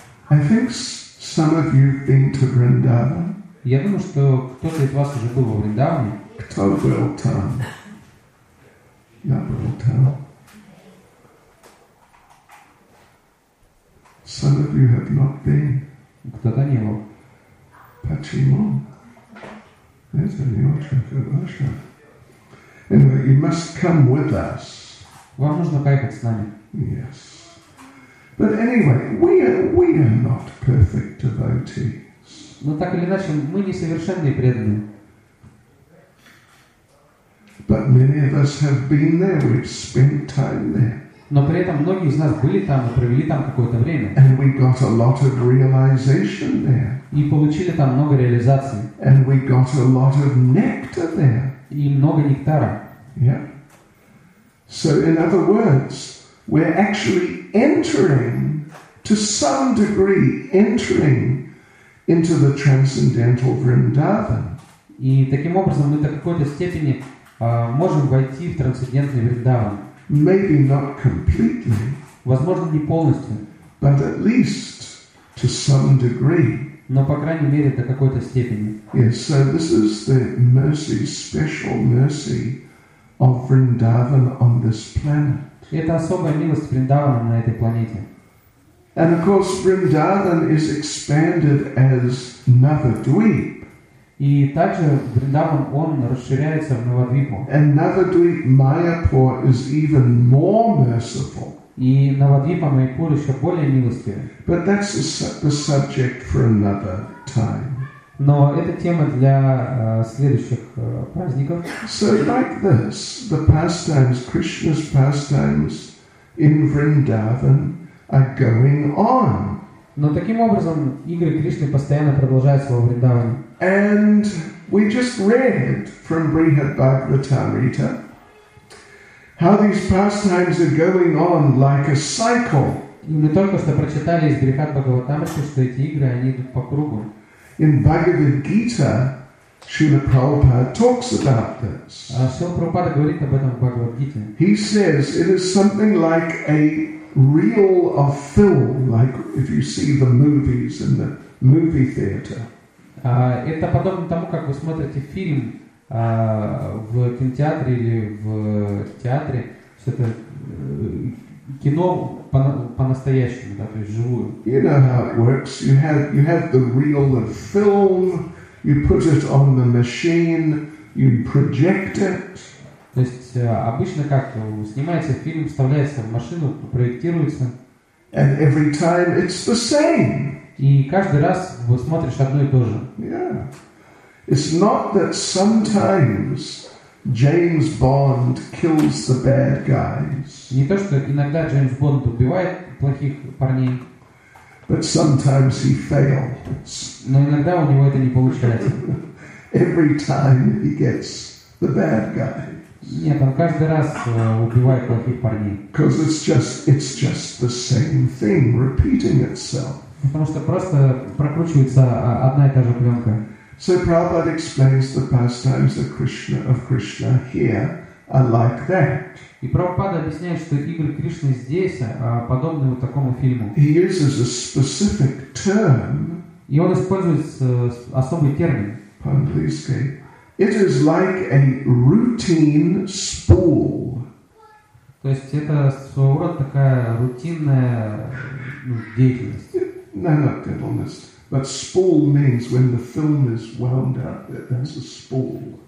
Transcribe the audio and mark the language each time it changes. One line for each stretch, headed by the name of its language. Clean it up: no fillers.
English: I think some of you have been to Vrindavan.
Russian: Я думаю, что кто-то из вас уже был во Вриндаване. Кто был там? Я был там.
English: Some of you have not been.
Russian: Кто-то не был. Почему? Это не очень хорошо.
English: Anyway, you must come with us.
Russian: Вам нужно поехать с нами.
English: Yes. But anyway, we are not perfect devotees.
Russian: Но так или иначе, мы несовершенные преданные.
English: But many of us have been there, we've spent time there.
Russian: Но при этом многие из нас были там и провели там какое-то время.
English: And we got a lot of realization there.
Russian: И получили там много реализации.
English: And we got a lot of nectar there.
Russian: И много нектара.
English: Yeah. So in other words, we're actually entering, to some degree, entering into the transcendental Vrindavan.
Russian: И таким образом мы до какой-то степени можем войти в трансцендентный Вриндаван.
English: Maybe not completely.
Russian: Возможно, не полностью.
English: But at least to some degree.
Russian: Но по крайней мере до какой-то степени.
English: Yes, so this is the mercy, special mercy of Vrindavan on this planet.
Russian: Это особая милость Вриндавана на этой планете.
English: And of course, Vrindavan is expanded as Navadvip.
Russian: И также Вриндаван он расширяется в Навадвипу.
English: And Navadvip Mayapur is even more merciful.
Russian: И Навадвипа Майпур еще более милостивее.
English: But that's the subject for another time.
Russian: Но это тема для следующих праздников.
English: So like this, the pastimes, Krishna's pastimes in Vrindavan are going on.
Russian: Но таким образом игры Кришны постоянно продолжают свое Вриндаване.
English: And we just read from Brihad Bhagavatamrita how these pastimes are going on like a cycle.
Russian: Мы только что прочитали из Брихад Бхагаватамриты, что эти игры они идут по кругу.
English: In Bhagavad Gita, Srila Prabhupada talks about this.
Russian: Srila Prabhupada говорит об этом в Бхагавад Гите.
English: He says it is something like a reel of film, like if you see the movies in the movie theater.
Russian: Это подобно тому, как вы смотрите фильм в кинотеатре или в театре, что это кино по-настоящему, да, то есть живую.
English: You know how it works. You have the reel of film. You put it on the machine. You project it.
Russian: То есть обычно как снимается фильм, вставляется в машину, проектируется.
English: And every time it's the same.
Russian: И каждый раз вы смотришь одно и то же.
English: Yeah. It's not that sometimes James Bond kills the bad guys.
Russian: Не то, что иногда Джеймс Бонд убивает плохих парней.
English: But sometimes he fails.
Russian: Но иногда у него это не получается.
English: Every time he gets the bad guys.
Russian: Нет, он каждый раз убивает плохих парней.
English: Because it's just the same thing repeating itself.
Russian: Потому что просто прокручивается одна и та же пленка.
English: So Prabhupada explains the pastimes of Krishna here are like that.
Russian: И Прабхупада объясняет, что игры Кришны здесь подобны вот такому фильму.
English: He uses a specific term.
Russian: И он использует особый термин.
English: Pandlisky. It is like a routine spool.
Russian: То есть это своего рода такая рутинная деятельность.
English: No, not that honest. But spool means when the film is wound up, that's a spool.